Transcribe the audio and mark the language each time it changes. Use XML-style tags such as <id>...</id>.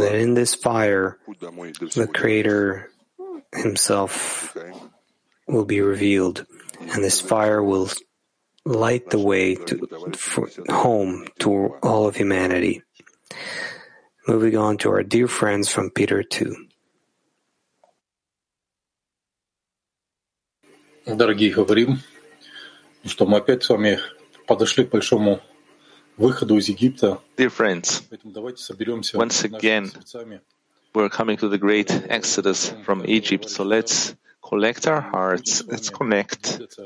<en>that in this fire the Creator himself will be revealed, and this fire will light the way to home to all of humanity. Moving on to our dear friends from Peter 2.</en> <ru>Дорогие, говорим, что мы опять с вами подошли к большому выходу из Египта.</ru> <en>Dear friends, once again, we're coming to the great exodus from Egypt, so let's collect our hearts, let's connect.</en>